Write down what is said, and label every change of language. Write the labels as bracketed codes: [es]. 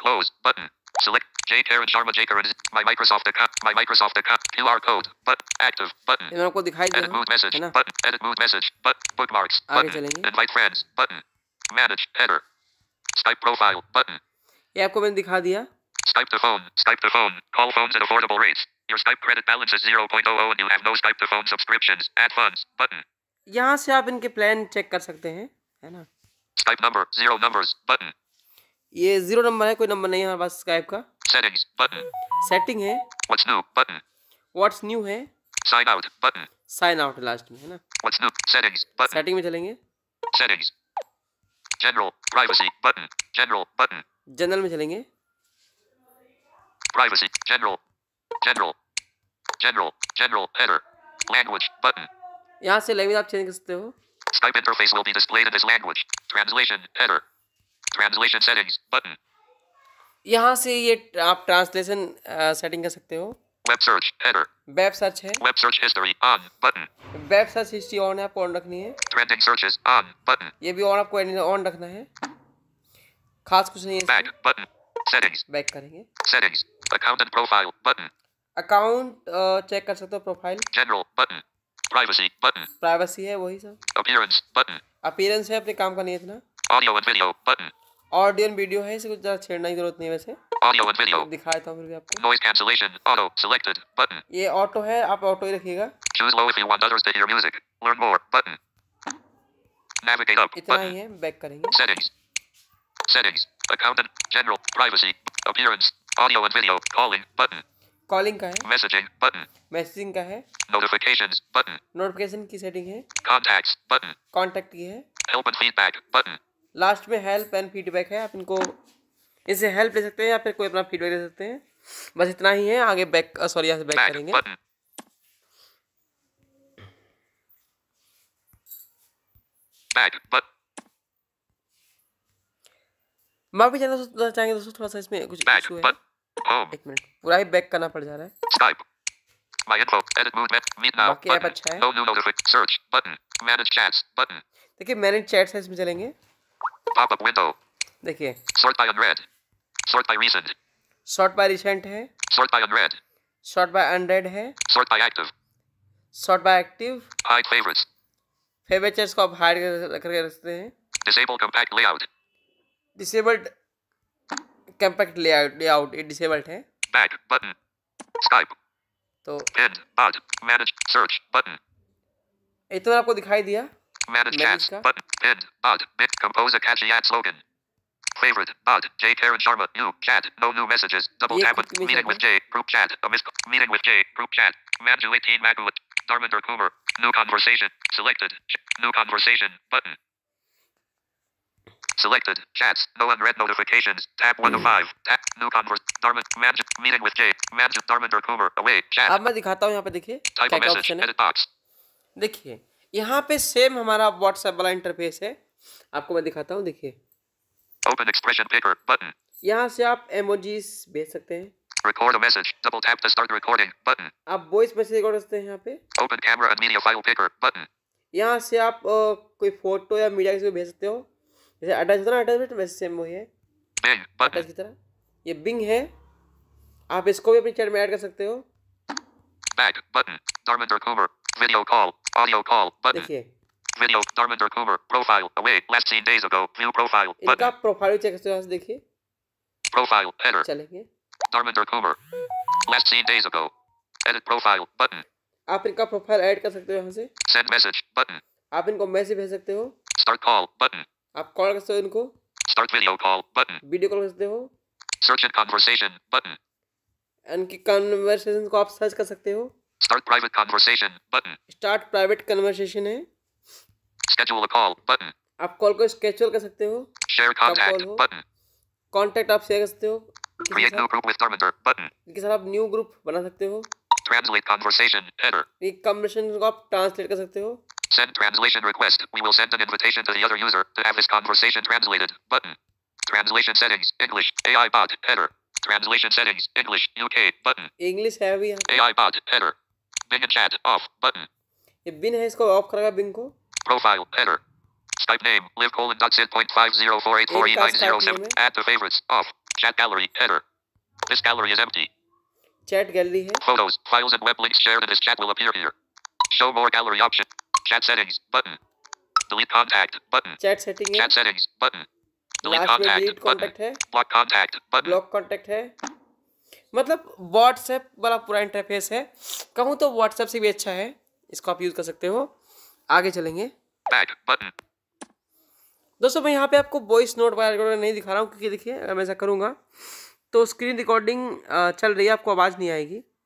[en] close button select जे टेरन शर्मा जे Karan my Microsoft account QR code but active button [hi] ये मैंने आपको दिखाई दिया [en] है ना but edit mood message but bookmarks [hi] आगे चलेंगे [en] invite friends button manage header Skype profile button [hi] ये आपको मैंने दिखा दिया [en] Skype to phone, call phones at affordable rates. Your Skype credit balance is 0.00 and you have no Skype to phone subscriptions. Add funds, button. [hi] यहाँ से आप इनके plan check कर सकते हैं, है ना? [en] Skype number, zero numbers, button. [hi] ये zero number है, कोई number नहीं है हमारे पास Skype का. [en] Settings, button. [hi] Setting है. [en] What's new, button. What's new है? Sign out, button. [hi] Sign out last में, है ना? [en] What's new, settings, button. [hi] Setting में चलेंगे. [en] Settings. General, privacy, button. General, button. [hi] General में चलेंगे. [en] Privacy, general, general, general, general, header, language, button. [hi] यहाँ से language आप change कर सकते हो. [en] Skype interface will be displayed in this language. Translation, header, translation settings, button. [hi] यहाँ से ये आप translation setting कर सकते हो. [en] Web search, header. Web search है. Web search history, on, button. [hi] Web search history on है, आपको on रखनी है. [en] Trending searches, on, button. [hi] ये भी on आपको on रखना है. खास कुछ नहीं है. [en] Back, button. Settings. [hi] Back करेंगे. [en] Settings. Account and profile button. [hi] Account check कर सकते हो profile. [en] General button. Privacy button. [hi] Privacy है वही सब. [en] Appearance button. [hi] Appearance है अपने काम का नहीं इतना. [en] Audio and video button. [hi] Audio and video है इसे कुछ ज़्यादा छेड़ना की ज़रूरत नहीं वैसे. [en] Audio and video. [hi] दिखाता हूँ फिर भी आपको. [en] Noise cancellation auto selected button. [hi] ये auto है आप auto ही रखिएगा. [en] Choose low if you want others to hear music. Learn more button. Navigate up [hi] इतना [en] button. [hi] ही है back करेंगे. [en] Settings. Settings. Account and general privacy appearance. Audio and video calling button. [hi] Calling का है. [en] Messaging button. [hi] Messaging का है. [en] Notifications button. [hi] Notification की setting है. [en] Contacts button. [hi] Contact की है. [en] Help and feedback button. [hi] Last में help and feedback है. आप इनको इसे help ले सकते हैं या फिर कोई अपना feedback ले सकते हैं. बस इतना ही है. आगे back sorry यहाँ से back करेंगे. [en] Button. Back button. [hi] माफ भी चाहता हूँ चाहेंगे दोस्तों थोड़ा सा इसमें कुछ [en] back, [hi] इशू है [en] but, [hi] एक मिनट पूरा ही बैक करना पड़ जा रहा है [en] Skype my info edit mood meet now button [hi] बाकी ऐप अच्छा है [en] no new notification search button manage chats button [hi] देखिए manage chats है इसमें चलेंगे [en] pop up window [hi] देखिए [en] sort by unread sort by recent sort by recent है sort by unread sort by unread है sort by active sort by active hide favorites [hi] favorites को आप hide करके रखते हैं [en] disable compact layout Disabled compact layout it disabled है. Back button. Skype. [hi] तो [en] pin bot manage search button. [hi] ये तो आपको दिखाई दिया. [en] Manage chats button pin bot bit compose a catchy ad slogan. Favorite bot J Taran Sharma new chat no new messages double tap with meeting with J group chat a missed meeting with J group chat manage 18 Magwood Darminder Coomer new conversation selected new conversation button. Selected chats, no unread notifications, tap 1 to 5, tap new converse, Dharma, manage, meeting with Jay, manage, Dharma, or Coomer, away, chat. [hi] अब मैं दिखाता हूँ यहाँ पे देखिए. [en] Type a message, edit box. [hi] देखिए, यहाँ पे सेम हमारा WhatsApp वाला इंटरफेस है. आपको मैं दिखाता हूँ देखिए. [en] Open expression paper, button. [hi] यहाँ से आप emojis भेज सकते हैं. [en] Record a message, double tap to start recording, button. [hi] आप voice message record करते हैं यहाँ पे. [en] Open camera and media file paper, button. [hi] यहाँ से आप कोई photo या media किसी को भेज सकते हो. जैसे अटैच होता है ना अटैच वैसे सेम वही है [en] Bing button [hi] अटैच की तरह ये Bing है आप इसको भी अपने चैट में ऐड कर सकते हो [en] Back button Darminder Coomer Video call Audio call button [hi] देखिए [en] Video Darminder Coomer Profile away Last seen days ago View profile button [hi] इनका प्रोफाइल चेक करते हो यहाँ से देखिए [en] Profile header [hi] चलेंगे [en] Darminder Coomer Last seen days ago Edit profile button [hi] आप इनका प्रोफाइल ऐड कर सकते हो यहाँ से [en] Send message button [hi] आप इनको मैसेज भेज सकते हो [en] Start call button [hi] आप कॉल कर सकते हो इनको [en] start video call button [hi] video call कर सकते हो [en] search in conversation button [hi] इनकी कन्वर्सेशन को आप सर्च कर सकते हो [en] start private conversation button start private conversation है schedule a call button [hi] आप कॉल को स्केड्यूल कर सकते हो [en] share contact button [hi] कॉन्टैक्ट आप शेयर कर सकते हो किसी के [en] Create new [hi] साथ, [en] group with Dharmender button. [hi] इनके साथ आप न्यू ग्रुप बना सकते हो, [en] Translate conversation header. [hi] ये कम्युनिकेशन को आप ट्रांसलेट कर सकते हो. [en] Send translation request. We will send an invitation to the other user to have this conversation translated. Button. Translation settings. English. AI bot. Header. Translation settings. English. UK. Button. [hi] English है भी यहाँ. [en] AI bot. Header. Bing chat. Off. Button. [hi] ये बिन है, इसको of करेगा बिन को. [en] Profile. Header. Skype name. Live colon dot sit point 50484897. Add to favorites. Off. Chat gallery. Header. This gallery is empty. Chat gallery है. Photos, files and web links shared in this chat will appear here. Show more gallery option. Chat settings button. Delete contact button. Chat setting chat settings button. Delete last contact, delete contact button. Block contact button. Block contact है. [hi] मतलब WhatsApp वाला पूरा interface है. कहूँ तो WhatsApp से भी अच्छा है. इसको आप यूज कर सकते हो. आगे चलेंगे. [en] Back button. [hi] दोस्तों मैं यहाँ पे आपको वॉइस नोट वाला रिकॉर्डर नहीं दिखा रहा हूँ, क्योंकि देखिए अगर मैं ऐसा करूँगा तो स्क्रीन रिकॉर्डिंग चल रही है, आपको आवाज़ नहीं आएगी.